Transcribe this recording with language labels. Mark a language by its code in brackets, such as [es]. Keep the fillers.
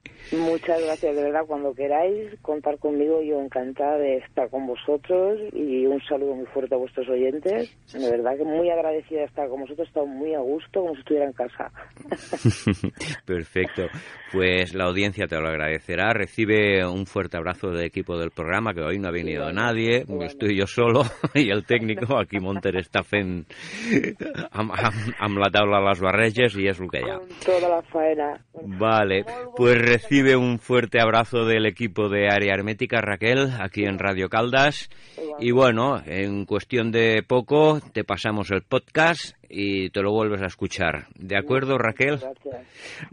[es] Muchas gracias, de verdad, cuando queráis contar conmigo, yo encantada de estar con vosotros y un saludo muy fuerte a vuestros oyentes. De verdad que muy agradecida de estar con vosotros, he estado muy a gusto, como si estuviera en casa. Perfecto. Pues la audiencia te lo agradecerá. Recibe un fuerte abrazo del equipo del programa, que hoy no ha venido nadie, porque estoy yo solo y el técnico. [ca] Aquí Monter està fent amb, amb, amb la taula les barreges i és el que hi ha. [es] Con toda la faena. Vale, pues recibe un fuerte abrazo del equipo de Área Hermética, Raquel, aquí en Radio Caldas. Y bueno, en cuestión de poco te pasamos el podcast y te lo vuelves a escuchar. ¿De acuerdo, Raquel? Gracias.